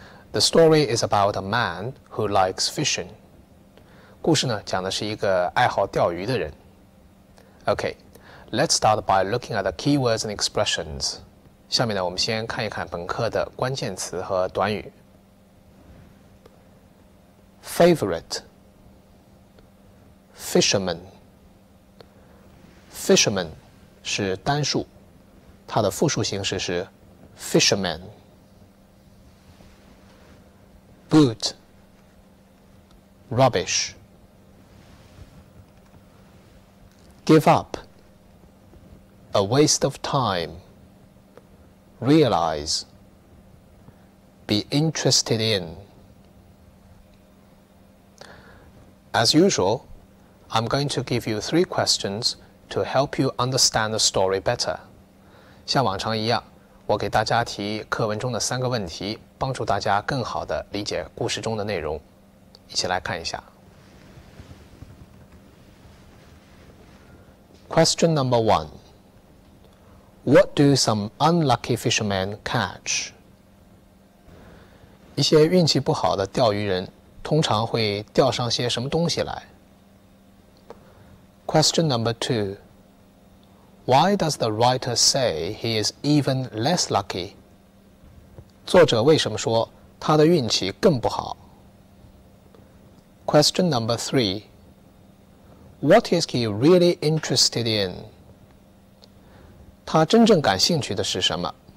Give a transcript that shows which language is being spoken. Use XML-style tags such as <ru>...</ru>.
<en>The story is about a man who likes fishing.</en> <zh>故事呢，讲的是一个爱好钓鱼的人。</zh> <en>Okay. Let's start by looking at the keywords and expressions.</en> <zh>下面呢，我们先看一看本课的关键词和短语。</zh> <en>Favorite, fisherman.</en> <zh>Fisherman 是单数，它的复数形式是 fisherman.</zh> <en>Boot, rubbish. Give up. A waste of time. Realize. Be interested in. As usual, I'm going to give you three questions to help you understand the story better.</en> <zh>像往常一样，我给大家提课文中的三个问题，帮助大家更好地理解故事中的内容。一起来看一下。</zh> <en>Question number one. What do some unlucky fishermen catch?</en> <zh>一些运气不好的钓鱼人通常会钓上些什么东西来。</zh> <en>Question number two. Why does the writer say he is even less lucky?</en> <zh>作者为什么说他的运气更不好?</zh> <en>Question number three. What is he really interested in?</en> <zh>他真正感兴趣的是什么?</zh>